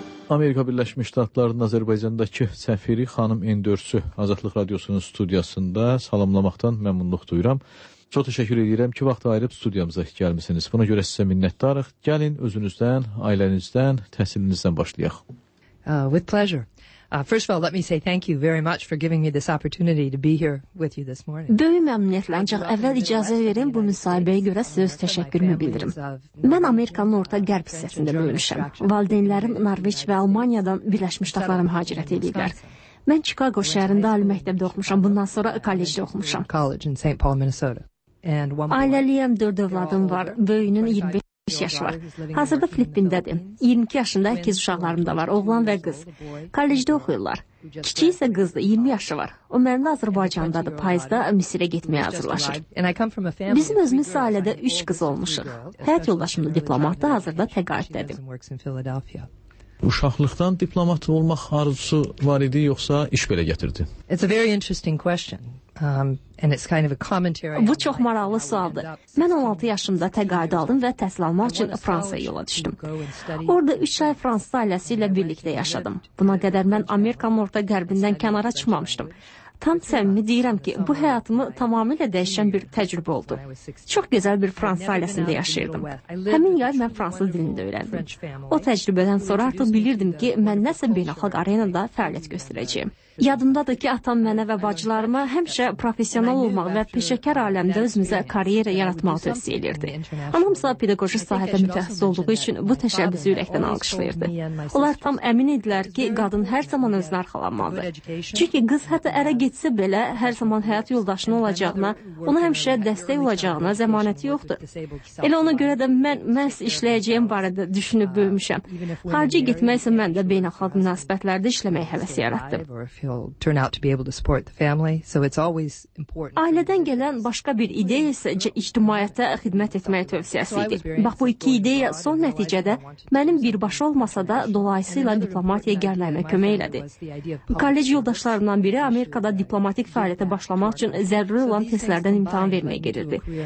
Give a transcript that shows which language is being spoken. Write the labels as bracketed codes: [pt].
[az] Amerika Birləşmiş Ştatlarının Azərbaycandakı səfiri xanım Endörsü Azadlıq Radiosunun studiyasında salamlamaqdan məmnunluq duyuram. Çox təşəkkür edirəm ki, vaxt ayırıb studiyamıza gəlmisiniz. Buna görə sizə minnətdarıq. Gəlin özünüzdən, ailənizdən, təhsilinizdən başlayaq. [en] With pleasure. First of all, let me say thank you very much for giving me this opportunity to be here with you this morning. [az] Böyük məmnuniyyətlə, ancaq əvvəl icazə verin bu müsahibəyə görə söz təşəkkürümü bildirim. Mən Amerikanın orta qərb hissəsində böyümüşəm. Valideynlərim Norveç və Almaniyadan Birləşmiş Ştatlara mühacirət ediblər. Mən Chicago şəhərində ali məktəbdə oxumuşam, bundan sonra kollecdə oxumuşam. [en] College in St. Paul, Minnesota. And one more. [az] Ailəliyəm, 4 övladım var. Böyüyünün 25 yaşı var. Hazırda Filippindədir. 22 yaşında əkiz uşaqlarım da var, oğlan və qız. Kollecdə oxuyurlar. Kiçik isə qızdır, 20 yaşı var. O mənimlə Azərbaycandadır, payızda Misirə getməyə hazırlaşır. Bizim özümüz ailədə 3 qız olmuşuq. Həyat yoldaşım da diplomatdır, hazırda təqaüddədir. Uşaqlıqdan diplomat olmaq arzusu var idi, yoxsa iş belə gətirdi? [en] It's a very interesting question. And it's kind of a commentary. [az] Bu çox maraqlı sualdır. Mən 16 yaşımda təqaüd aldım və təhsil almaq üçün Fransaya yola düşdüm. Orada 3 ay Fransız ailəsi ilə birlikdə yaşadım. Buna qədər mən Amerikanın orta qərbindən kənara çıxmamışdım. Tam səmimi deyirəm ki, bu həyatımı tamamilə dəyişən bir təcrübə oldu. Çox gözəl bir Fransız ailəsində yaşayırdım. Həmin yay mən Fransız dilini də öyrəndim. O təcrübədən sonra artıq bilirdim ki, mən nəsə beynəlxalq arenada fəaliyyət göstərəcəyim. Yadımdadır ki, atam mənə və bacılarıma həmişə professional olmaq və peşəkar aləmdə özümüzə kariyerə yaratmaq tövsiyə edirdi. Anamsa pedaqoji sahədə mütəxəssis olduğu üçün bu təşəbbüsü ürəkdən alqışlayırdı. Onlar tam əmin idilər ki, qadın hər zaman özünü arxalanmalıdır. Çünki qız hətta ərə getsə belə hər zaman həyat yoldaşını olacağına, ona həmişə dəstək olacağına zəmanəti yoxdur. Elə ona görə də mən məhz işləyəcəyim barədə düşünüb böyümüşəm. Xarici getmək isə mən də beynəlxalq münasibətlərdə işləmək həvəsi yaratdım. [en] He'll turn out to be able to support the family, so it's always important. [az] Ailədən gələn başqa bir ideya isə ictimaiyyətə xidmət etməyi tövsiyəsi idi. Bax, bu iki ideya son nəticədə mənim birbaşa olmasa da dolayısıyla diplomatiyaya gəlməyimə kömək elədi. Kollec yoldaşlarımdan biri Amerikada diplomatik fəaliyyətə başlamaq üçün zəruri olan testlərdən imtahan verməyə gedirdi.